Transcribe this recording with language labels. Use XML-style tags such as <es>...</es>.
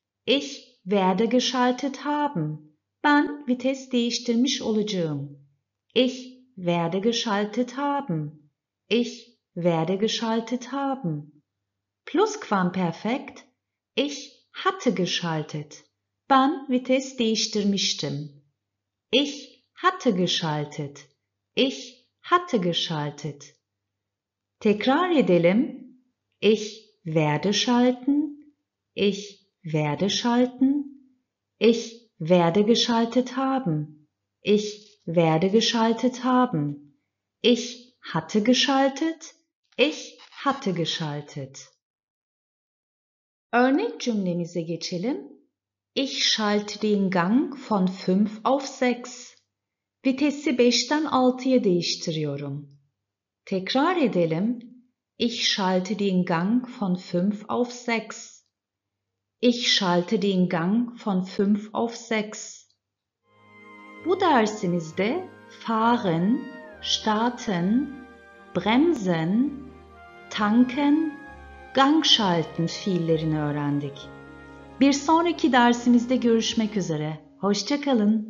<de>Ich werde geschaltet haben.</de> <tr>Ben vites değiştirmiş olacağım.</tr> <de>Ich werde geschaltet haben. Ich werde geschaltet haben. Plusquamperfekt. Ich hatte geschaltet.</de> <tr>Ben vites değiştirmiştim.</tr> <de>Ich hatte geschaltet. Ich hatte geschaltet.</de> <tr>Tekrar edelim.</tr> <de>Ich werde schalten. Ich werde schalten. Ich werde geschaltet haben. Ich werde geschaltet haben. Ich hatte geschaltet. Ich hatte geschaltet.</de> <tr>Örnek cümlemize geçelim.</tr> <de>Ich schalte den Gang von 5 auf 6.</de> <tr>Vitesi 5'ten 6'ya değiştiriyorum. Tekrar edelim.</tr> <de>Ich schalte den Gang von 5 auf 6. Ich schalte den Gang von 5 auf 6.</de> <tr>Bu dersimizde fahren, starten, bremsen, tanken, Gang schalten fiillerini öğrendik. Bir sonraki dersimizde görüşmek üzere. Hoşça kalın.</tr>